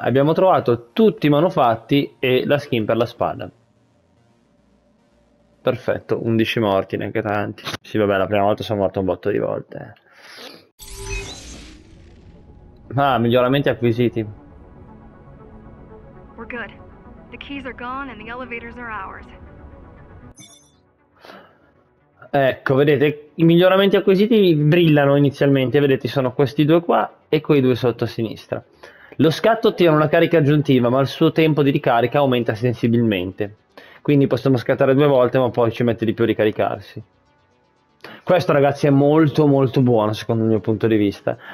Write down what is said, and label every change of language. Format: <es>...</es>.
<it>Abbiamo trovato tutti i manufatti e la skin per la spada. Perfetto, 11 morti, neanche tanti. Sì, vabbè, la prima volta sono morto un botto di volte. Ah, miglioramenti acquisiti.</it> <en>We're good. The keys are gone and the elevators are ours.</en> <it>Ecco, vedete, i miglioramenti acquisiti brillano inizialmente, vedete, sono questi due qua e quei due sotto a sinistra. Lo scatto ottiene una carica aggiuntiva, ma il suo tempo di ricarica aumenta sensibilmente. Quindi possiamo scattare due volte, ma poi ci mette di più a ricaricarsi. Questo, ragazzi, è molto molto buono, secondo il mio punto di vista.</it>